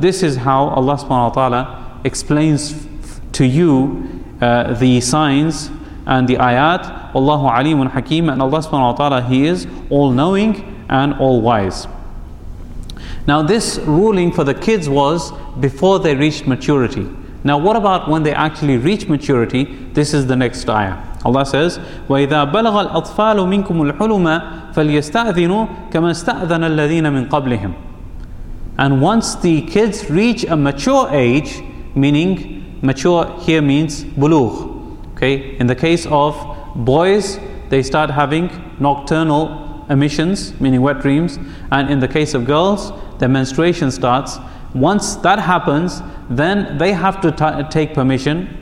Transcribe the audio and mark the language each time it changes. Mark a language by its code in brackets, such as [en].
[en] This is how Allah subhanahu wa ta'ala explains to you the signs and the ayat. [ar] Allahu alimun hakeem. [en] And Allah subhanahu wa ta'ala, He is all-knowing and all-wise. Now this ruling for the kids was before they reached maturity. Now what about when they actually reach maturity? This is the next ayah. Allah says, [ar] وَإِذَا بَلَغَ الْأَطْفَالُ مِنْكُمُ الْحُلُمَ فَلْيَسْتَأْذِنُوا كَمَا اسْتَأْذَنَ الَّذِينَ مِنْ قَبْلِهِمْ. [en] And once the kids reach a mature age, meaning mature here means bulugh. Okay, in the case of boys, they start having nocturnal emissions, meaning wet dreams. And in the case of girls, their menstruation starts. Once that happens, then they have to take permission.